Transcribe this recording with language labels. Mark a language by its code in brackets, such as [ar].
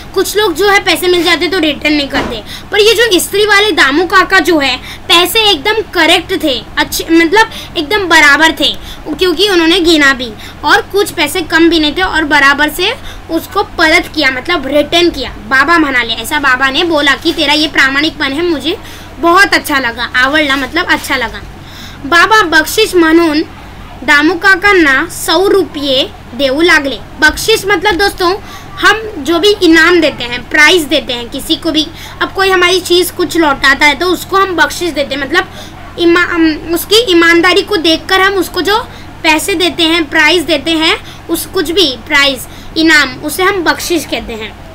[hi] कुछ लोग जो है पैसे मिल जाते तो रिटर्न नहीं करते, पर ये जो इस्त्री वाले दामू काका जो है पैसे एकदम करेक्ट थे, अच्छे मतलब एकदम बराबर थे, क्योंकि उन्होंने गिना भी और कुछ पैसे कम भी नहीं थे और बराबर से उसको परत किया मतलब रिटर्न किया। बाबा मना ले ऐसा बाबा ने बोला कि तेरा ये प्रामाणिकपन है मुझे बहुत अच्छा लगा, आवड़ला मतलब अच्छा लगा। [mr] बाबा बख्शीस म्हणून दामू काकांना 100 रुपये देऊ लागले। [hi] बख्शीस मतलब दोस्तों हम जो भी इनाम देते हैं, प्राइज देते हैं किसी को भी, अब कोई हमारी चीज़ कुछ लौटाता है तो उसको हम बख्शीस देते हैं, मतलब उसकी ईमानदारी को देखकर हम उसको जो पैसे देते हैं, प्राइज देते हैं, उस कुछ भी प्राइज इनाम, उसे हम बख्शीस कहते हैं।